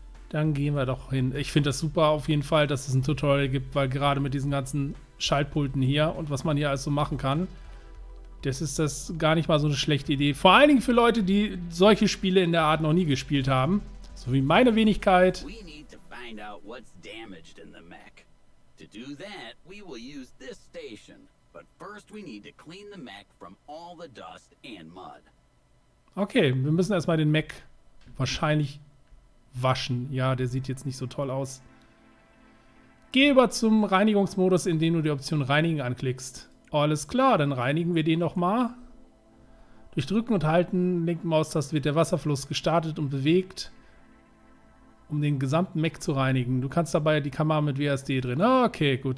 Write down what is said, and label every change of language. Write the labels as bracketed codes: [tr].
[de] Dann gehen wir doch hin. Ich finde das super auf jeden Fall, dass es ein Tutorial gibt, weil gerade mit diesen ganzen Schaltpulten hier und was man hier alles so machen kann, das ist das gar nicht mal so eine schlechte Idee. Vor allen Dingen für Leute, die solche Spiele in der Art noch nie gespielt haben, so wie meine Wenigkeit. [en] We need to find out what's damaged in the mech. To do that, we will use this station. But first we need to clean the mech from all the dust and mud. [de] Okay, wir müssen erstmal den Mech wahrscheinlich waschen. Ja, der sieht jetzt nicht so toll aus. Geh über zum Reinigungsmodus, indem du die Option Reinigen anklickst. Alles klar, dann reinigen wir den nochmal. Durch Drücken und Halten linke Maustaste wird der Wasserfluss gestartet und bewegt, um den gesamten Mech zu reinigen. Du kannst dabei die Kamera mit WASD drin. Okay, gut.